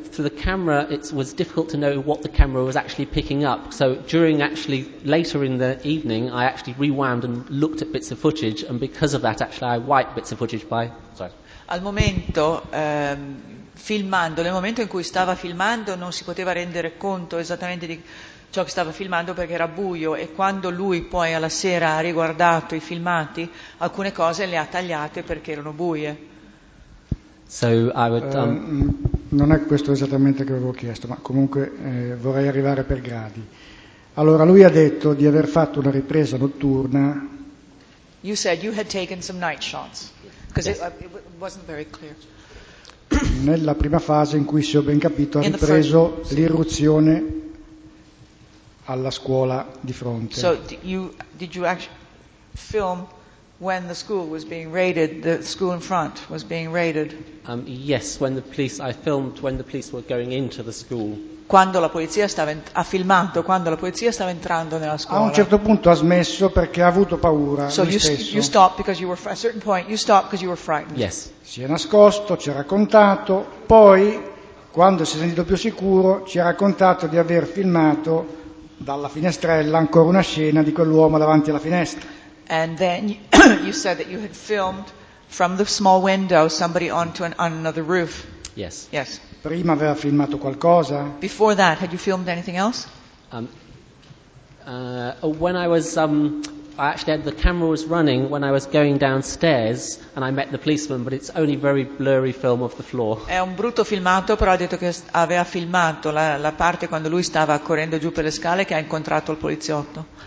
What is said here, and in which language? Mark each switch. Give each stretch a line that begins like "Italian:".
English: For the camera, it was difficult to know what the camera was actually picking up. So during actually, later in the evening, I actually rewound and looked at bits of footage, and because of that, actually, I wiped bits of footage by... Sorry.
Italian: Al momento, filmando, nel momento in cui stava filmando, non si poteva rendere conto esattamente di ciò che stava filmando perché era buio, e quando lui poi alla sera ha riguardato i filmati, alcune cose le ha tagliate perché erano buie.
English: So I would,
Italian: non è questo esattamente che avevo chiesto, ma comunque vorrei arrivare per gradi. Allora, lui ha detto di aver fatto una ripresa notturna.
English: You said you had taken some night shots, because yes. it wasn't very clear.
Italian: Nella prima fase in cui, se ho ben capito, ha ripreso l'irruzione alla scuola di fronte.
English: So did you actually film when the school was being raided, the school in front was being raided? Yes, when the police were going into the school.
Italian: Quando la polizia ha filmato quando la polizia stava entrando nella scuola. A un certo punto ha smesso perché ha avuto paura.
English: So you stopped because you were at a certain point. You stopped because you were frightened. Yes.
Italian: Si è nascosto, ci ha raccontato, poi quando si è sentito più sicuro ci ha raccontato di aver filmato dalla finestrella ancora una scena di quell'uomo davanti alla finestra.
English: And then you said that you had filmed from the small window somebody on another roof. Yes. Yes.
Italian: Prima aveva filmato qualcosa?
English: Before that, had you filmed anything else? When I was, I actually had the camera was running when I was going downstairs and I met the policeman, but it's only very blurry film of the floor.
Italian: È un brutto filmato, però ha detto che aveva filmato la parte quando lui stava correndo giù per le scale che ha incontrato il poliziotto.